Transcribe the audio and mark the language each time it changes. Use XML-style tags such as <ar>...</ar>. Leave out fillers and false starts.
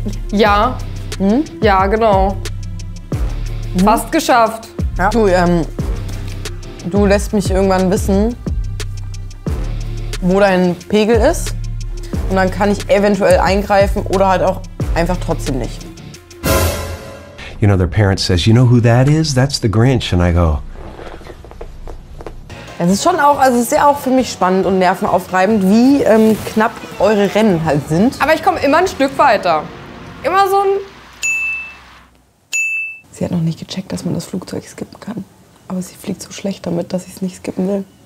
<de>Ja. Hm? Ja, genau. Hm? Fast geschafft. Ja. Du lässt mich irgendwann wissen, wo dein Pegel ist. Und dann kann ich eventuell eingreifen oder halt auch einfach trotzdem nicht.</de> <en>You know, their parent says, you know who that is? That's the Grinch. And I go.</en> <de>Es ist schon auch, also es ist ja auch für mich spannend und nervenaufreibend, wie knapp eure Rennen halt sind. Aber ich komme immer ein Stück weiter. Immer so ein. Sie hat noch nicht gecheckt, dass man das Flugzeug skippen kann. Aber sie fliegt so schlecht damit, dass ich es nicht skippen will.</de>